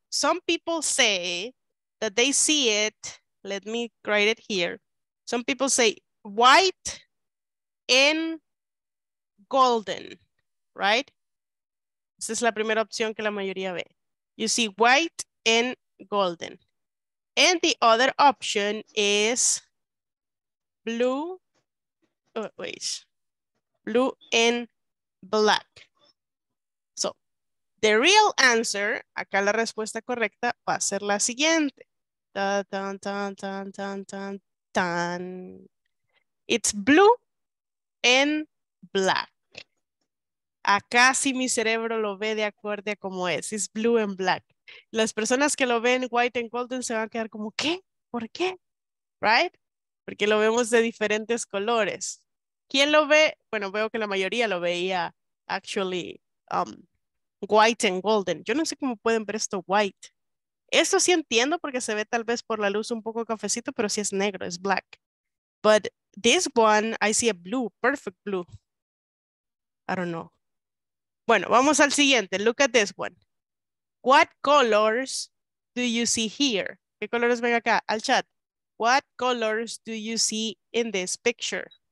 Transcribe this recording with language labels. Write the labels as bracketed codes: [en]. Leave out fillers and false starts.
[en] Some people say that they see it. Let me write it here. Some people say white and golden, right? [es] Esa es la primera opción que la mayoría ve. [en] You see white and golden. And the other option is blue, oh, wait, blue and black. So, the real answer, [es] acá la respuesta correcta va a ser la siguiente. Da, dun, dun, dun, dun, dun, dun. [en] It's blue and black. [es] Acá sí mi cerebro lo ve de acuerdo a cómo es. [en] It's blue and black. [es] Las personas que lo ven [en] white and golden [es] se van a quedar como, ¿qué? ¿Por qué? [en] Right? [es] Porque lo vemos de diferentes colores. ¿Quién lo ve? Bueno, veo que la mayoría lo veía [en] actually white and golden. [es] Yo no sé cómo pueden ver esto white. Esto sí entiendo porque se ve tal vez por la luz un poco cafecito, pero sí es negro, es black. [en] But this one, I see a blue, perfect blue. I don't know. [es] Bueno, vamos al siguiente. [en] Look at this one. What colors do you see here? [es] ¿Qué colores ven acá? Al chat. [en] What colors do you see in this picture?